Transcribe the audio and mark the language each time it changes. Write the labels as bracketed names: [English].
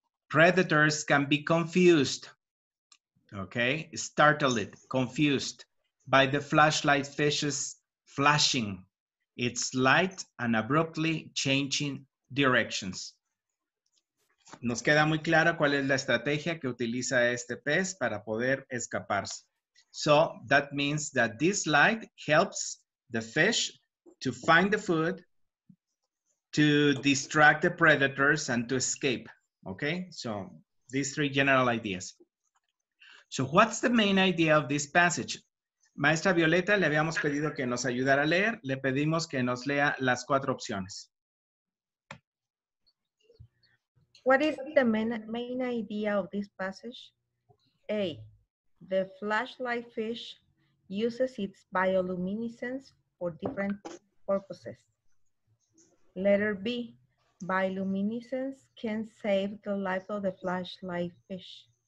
[English] Predators can be confused, okay? Startle it, confused, by the flashlight fish's flashing its light and abruptly changing directions. [Spanish] Nos queda muy claro cuál es la estrategia que utiliza este pez para poder escaparse. [English] So that means that this light helps the fish to find the food, to distract the predators, and to escape. Okay, so these three general ideas. So what's the main idea of this passage? [Spanish] Maestra Violeta, le habíamos pedido que nos ayudara a leer. Le pedimos que nos lea las cuatro opciones. [English] What is the main idea of this passage? A. The flashlight fish uses its bioluminescence for different purposes. Letter B, bioluminescence can save the life of the flashlight fish.